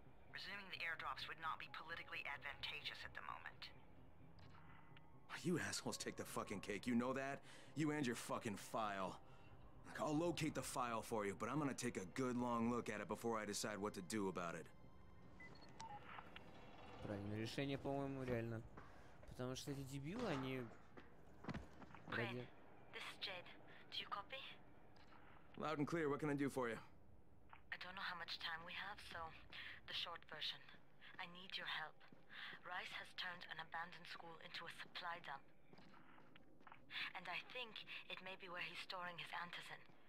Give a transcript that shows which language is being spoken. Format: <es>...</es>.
<en>Resuming the airdrops would not be politically advantageous at the moment. You assholes take the fucking cake, you know that? You and your fucking file. I'll locate the file for you, but I'm gonna take a good long look at it before I decide what to do about it.</en> <ru>Правильное решение, по-моему, реально. Потому что эти дебилы, они...</ru> <en>Crane, this is Jade. Do you copy? Loud and clear, what can I do for you? I don't know how much time we have, so... The short version. I need your help. Rice has turned an abandoned school into a supply dump. And I think it may be where he's storing his antizen.</en>